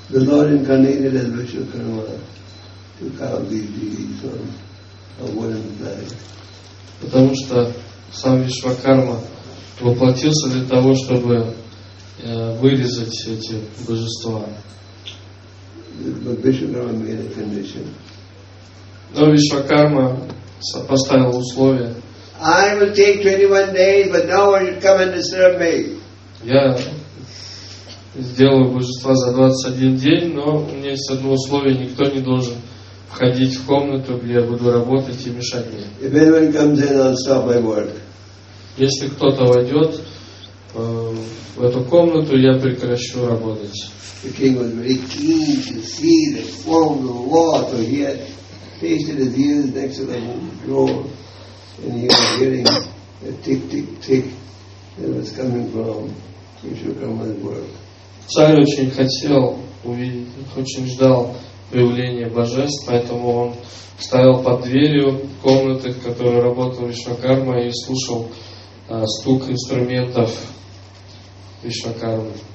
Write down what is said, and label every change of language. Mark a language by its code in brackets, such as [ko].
[ru] Потому что сам Вишвакарма воплотился для того, чтобы вырезать эти божества. Но Вишвакарма поставил условия. [en] I will take 21 days, but no one should come and disturb me. [ru] Я сделаю божество за 21 день, но у меня есть одно условие: никто не должен входить в комнату, где я буду работать и мешать мне. [en] If anyone comes in, I'll stop my work. [ru] Если кто-то войдет в эту комнату, я прекращу работать. [en] The king was very keen to see the form of the law, so he had pasted his ears next to the door, and he was hearing a tick, tick, tick that was coming from Vishwakarma's work. [ru] Царь очень хотел увидеть, очень ждал появления божеств, поэтому он стоял под дверью комнаты, в которой работал Вишвакарма, и слушал стук инструментов Вишвакармы.